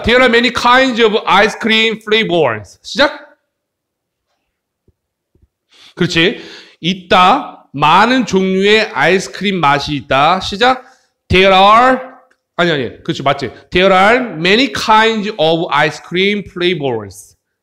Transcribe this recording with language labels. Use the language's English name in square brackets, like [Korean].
[English] There are many kinds of ice cream flavors. [Korean] 시작. 그렇지. 있다. 많은 종류의 아이스크림 맛이 있다. 시작. [English] There are [Korean] 아니. 그렇지. 맞지. [English] There are many kinds of ice cream flavors.